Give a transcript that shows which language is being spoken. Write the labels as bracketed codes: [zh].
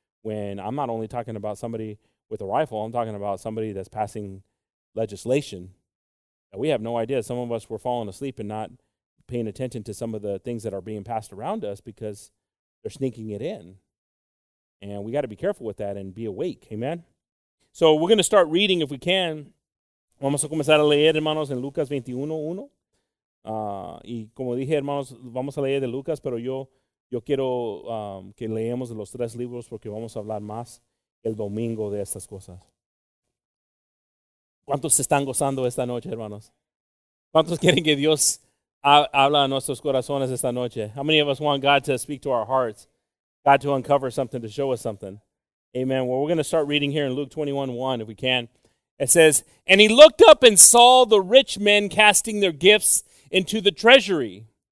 [en] When I'm not only talking about somebody with a rifle, I'm talking about somebody that's passing legislation. And we have no idea. Some of us were falling asleep and not paying attention to some of the things that are being passed around us because they're sneaking it in. And we got to be careful with that and be awake. Amen? So we're going to start reading if we can. [es] Vamos a comenzar a leer, hermanos, en Lucas 21:1. Y como dije, hermanos, vamos a leer de Lucas, pero yo quiero que leamos de los tres libros porque vamos a hablar más el domingo de estas cosas. ¿Cuántos se están gozando esta noche, hermanos? ¿Cuántos quieren que Dios habla a nuestros corazones esta noche? [en] How many of us want God to speak to our hearts? God to uncover something, to show us something. Amen. Well, we're going to start reading here in Luke 21:1 if we can. It says, "And he looked up and saw the rich men casting their gifts into the treasury.